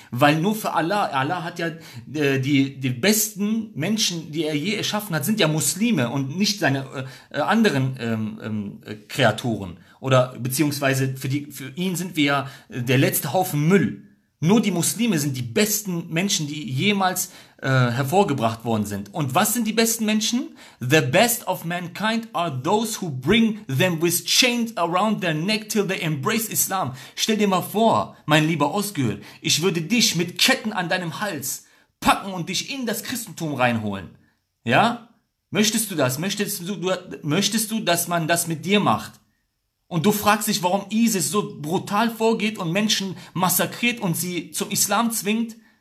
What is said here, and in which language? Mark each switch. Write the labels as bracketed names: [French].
[German] Weil nur für Allah hat ja die besten Menschen, die er je erschaffen hat, sind ja Muslime und nicht seine anderen Kreaturen. Oder beziehungsweise für ihn sind wir ja der letzte Haufen Müll. Nur die Muslime sind die besten Menschen, die jemals hervorgebracht worden sind. Und was sind die besten Menschen? [English] The best of mankind are those who bring them with chains around their neck till they embrace Islam. [German] Stell dir mal vor, mein lieber Özgür, ich würde dich mit Ketten an deinem Hals packen und dich in das Christentum reinholen. Ja? Möchtest du das? Möchtest du, dass man das mit dir macht? Und du fragst dich, warum ISIS so brutal vorgeht und Menschen massakriert und sie zum Islam zwingt?